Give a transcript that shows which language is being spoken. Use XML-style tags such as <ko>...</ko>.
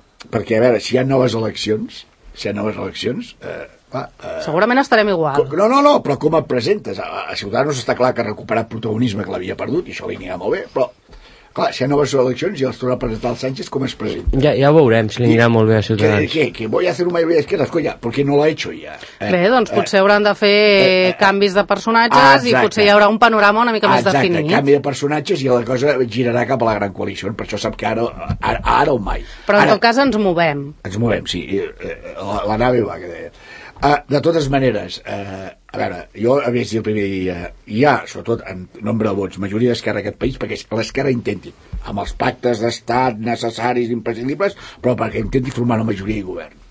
<ca>perquè a veure, si hi ha noves eleccions, si hi ha noves eleccions, segurament estarem igual. No, però com et presentes? A Ciutadans està clar que ha recuperat protagonisme que l'havia perdut, i això li anirà molt bé, però clar, si hi ha noves eleccions i els tornarà a presentar el Sánchez, com es presenta? Ja ho veurem, si li anirà molt bé a Ciutadans.</ca> <es>Que voy a hacer una mayoría de izquierdas, coña, porque no lo he hecho ya.</es> <ca>Bé, doncs potser hauran de fer canvis de personatges, exacte, i potser hi haurà un panorama una mica, exacte, més definit. Exacte, canvi de personatges i la cosa girarà cap a la gran coalició, per això sap que ara o mai. Però en ara, tot cas ens movem. Ens movem, sí. La nave va, que deia. De totes maneres, a veure, jo havia dit el primer dia, hi ha, sobretot en nombre de vots, majoria d'esquerra d'aquest país, perquè l'esquerra intenti, amb els pactes d'estat necessaris, imprescindibles, però perquè intenti formar una majoria de govern.</ca>